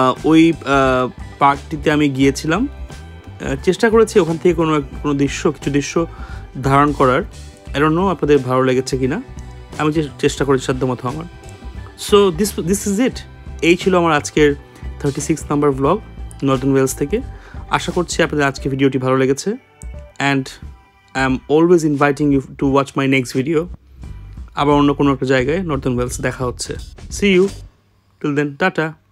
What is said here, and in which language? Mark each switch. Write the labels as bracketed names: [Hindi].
[Bangla] ওই পার্কটিতে আমি গিয়েছিলাম, চেষ্টা করেছি ওখান থেকে কোনো দৃশ্য কিছু দৃশ্য ধারণ করার, [English] I don't know [Bangla] আপনাদের ভালো লেগেছে কি না, আমি চেষ্টা করেছি সাধ্যমতো আমার। [English] so this is it, [Bangla] এই ছিল আমার আজকের 36 নম্বর ব্লগ নর্দার্ন ওয়েলস থেকে। আশা করছি আপনাদের আজকে ভিডিওটি ভালো লেগেছে। [English] And I'm always inviting you to watch my next video. [Bangla] আবার অন্য কোনো একটা জায়গায় নর্দার্ন ওয়েলস দেখা হচ্ছে। [English] See you. Till then, [Bangla] tata.